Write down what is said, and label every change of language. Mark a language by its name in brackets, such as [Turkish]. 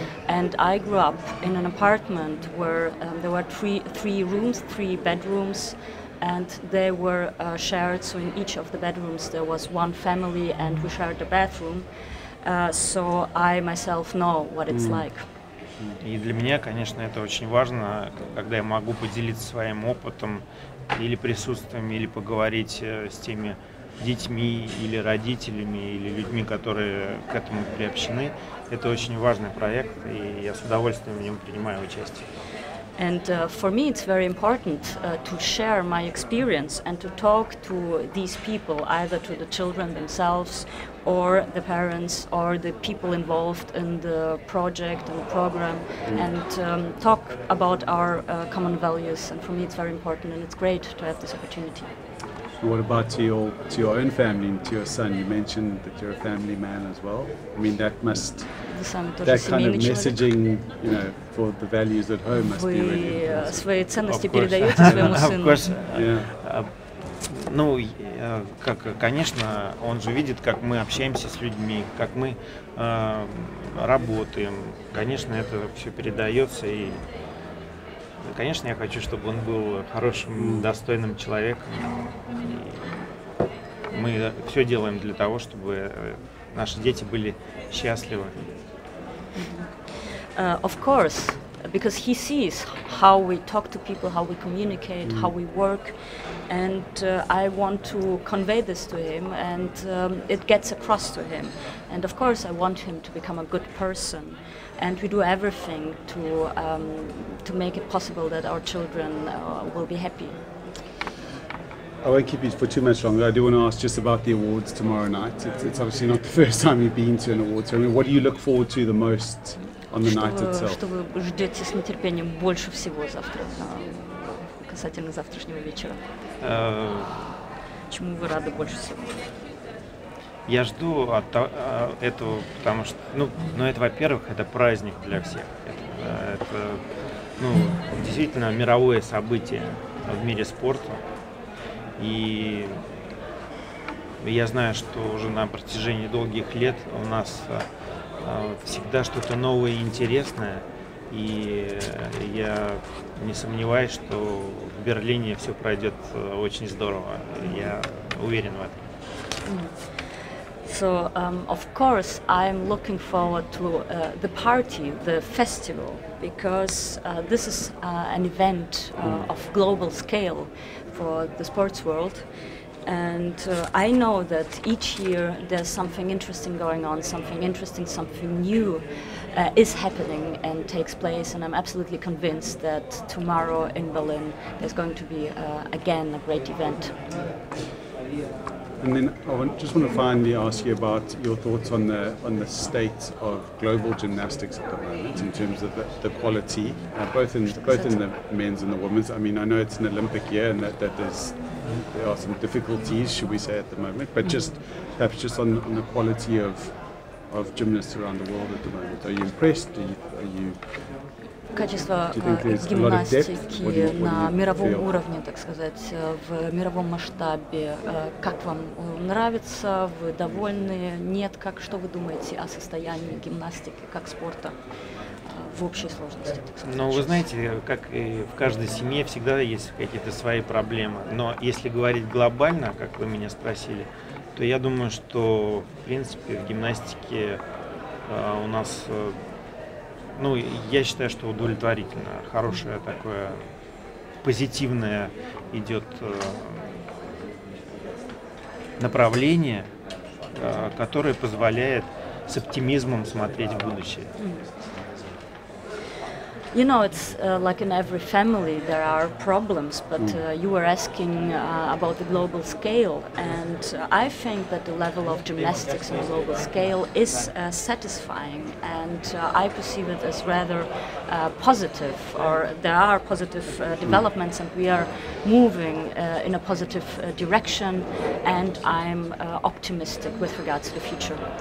[English] And I grew up in an apartment where there were three bedrooms, and they were shared, so in each of the bedrooms there was one family and we shared the bathroom. So I myself know what it's like. [Russian] И для меня, конечно, это очень важно, когда я могу поделиться своим опытом или присутствием, или поговорить с теми детьми или родителями, или людьми, которые к этому приобщены. Это очень важный проект, и я с удовольствием в нем принимаю участие. [English] And for me it's very important to share my experience and to talk to these people, either to the children themselves or the parents or the people involved in the project and program, and talk about our common values. And for me it's very important, and it's great to have this opportunity. What about to your own family and to your son? You mentioned that you're a family man as well. I mean, that must, that kind of messaging, you know, for the values at home must be really important. Of course. [Russian] Ну, как, конечно, он же видит, как мы общаемся с людьми, как мы работаем. Конечно, это все передается. И, конечно, я хочу, чтобы он был хорошим, достойным человеком. И мы все делаем для того, чтобы наши дети были счастливы. [English] Of course, because he sees how we talk to people, how we communicate, how we work, and I want to convey this to him, and it gets across to him. And of course, I want him to become a good person. And we do everything to make it possible that our children will be happy. I won't keep you for too much longer. I do want to ask just about the awards tomorrow night. It's obviously not the first time you've been to an awards ceremony. What do you look forward to the most on the night itself? [Russian] Что вы ждете с нетерпением больше всего завтра, касательно завтрашнего вечера? Чему вы рады больше всего? Я жду от этого, потому что, ну это, во-первых, это праздник для всех. Это, ну, действительно мировое событие в мире спорта. И я знаю, что уже на протяжении долгих лет у нас всегда что-то новое и интересное. И я не сомневаюсь, что в Берлине все пройдет очень здорово. Я уверен в этом. [English] So, of course, I'm looking forward to the party, the festival, because this is an event of global scale for the sports world. And I know that each year there's something interesting going on, something interesting, something new is happening and takes place. And I'm absolutely convinced that tomorrow in Berlin there's going to be, again, a great event. And then I just want to finally ask you about your thoughts on the state of global gymnastics at the moment, in terms of the quality, both in the men's and the women's. I mean, I know it's an Olympic year, and there are some difficulties, should we say, at the moment. But just perhaps just on the quality of gymnasts around the world at the moment. Are you impressed? Are you? [Russian] Качество гимнастики на мировом уровне, так сказать, в мировом масштабе. Как вам нравится? Вы довольны? Нет? Как? Что вы думаете о состоянии гимнастики как спорта в общей сложности, так сказать. Но вы знаете, как и в каждой семье всегда есть какие-то свои проблемы. Но если говорить глобально, как вы меня спросили, то я думаю, что в принципе в гимнастике у нас, ну, я считаю, что удовлетворительно, хорошее такое, позитивное идет направление, которое позволяет с оптимизмом смотреть в будущее. [English] You know, it's like in every family there are problems, but you were asking about the global scale, and I think that the level of gymnastics on a global scale is satisfying, and I perceive it as rather positive, or there are positive developments, and we are moving in a positive direction, and I'm optimistic with regards to the future.